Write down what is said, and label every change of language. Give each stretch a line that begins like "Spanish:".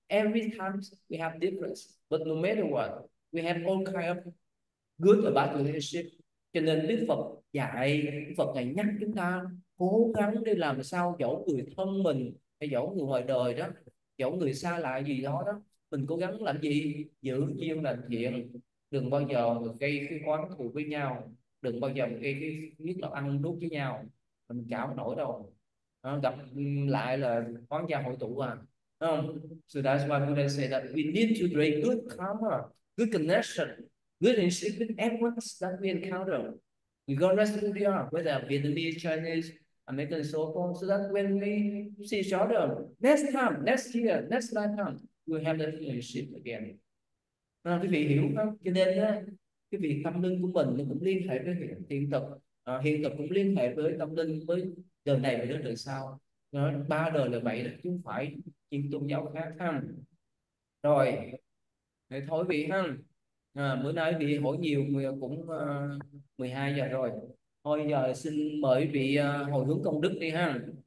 English: Every time we have difference, but no matter what, we have all kind of good or bad relationship.
Vietnamese: Cho nên Đức Phật dạy, Đức Phật ngày nhắc chúng ta cố gắng để làm sao dẫu người thân mình hay dẫu người ngoài đời đó, dẫu người xa lạ gì đó đó, mình cố gắng làm gì, giữ duyên lành thiện, đừng bao giờ gây cái oán thù với nhau, đừng bao giờ gây cái nhất là ăn đút với nhau, mình chả không nổi đâu. À, gặp lại là oán gia hội tụ à, không?
English: So that's why Buddha said that we need to create good karma, good connection, good relationship with everyone that we encounter. We go rest who they are, whether Vietnamese, Chinese, American, so forth, so that when we see each other next time, next year, next lifetime, we'll have that relationship again.
Vietnamese: À, quý vị hiểu không? Cho nên á, cái việc tâm linh của mình cũng liên hệ với hiện thực, hiện thực cũng liên hệ với tâm linh, với đời này và đời sau. Ba đời là vậy, chứ không phải chuyên tôn giáo khác ha. Rồi thế thôi vị ha, bữa nay vị hỏi nhiều người cũng 12 giờ rồi, thôi giờ xin mời vị hồi hướng công đức đi ha.